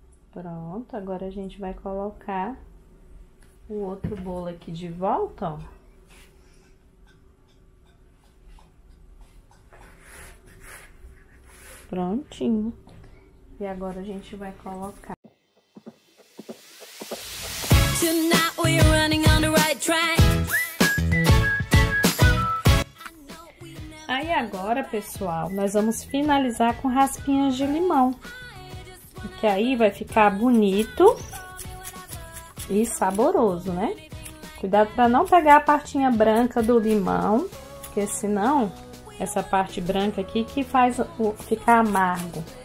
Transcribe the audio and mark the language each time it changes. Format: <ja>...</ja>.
<pt>Pronto, agora a gente vai colocar o outro bolo aqui de volta, ó. Prontinho. E agora a gente vai colocar.</pt> <en>Tonight we're running on the right track.</en> <pt>Aí agora, pessoal, nós vamos finalizar com raspinhas de limão. Que aí vai ficar bonito e saboroso, né? Cuidado para não pegar a partinha branca do limão, porque senão essa parte branca aqui que faz ficar amargo.</pt>